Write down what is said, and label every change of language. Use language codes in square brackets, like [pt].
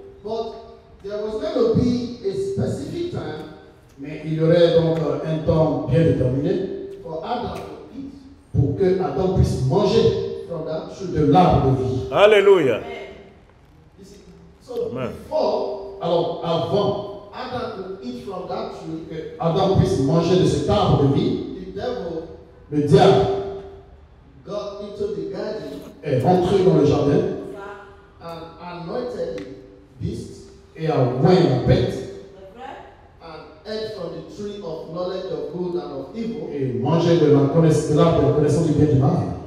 [en] But there was going to be a specific time. [fr] Mais il y aurait donc un temps bien déterminé. [en] For Adam to eat. [fr] Pour que Adam puisse manger [en] from that tree. [fr] De l'arbre de vie. [en] Hallelujah. So amen. Before, [fr] alors avant, [en] Adam to eat from that tree. [fr] Que Adam puisse manger de cet arbre de vie. [en] The devil, [fr] le diable, [en] got into the garden. [fr] Est entré dans le jardin. [en] Anointed the beast, [fr] et a oint la bête, [en] and ate from the tree of knowledge of good and of evil, [fr] et mangeait de la connaissance du bien et du mal.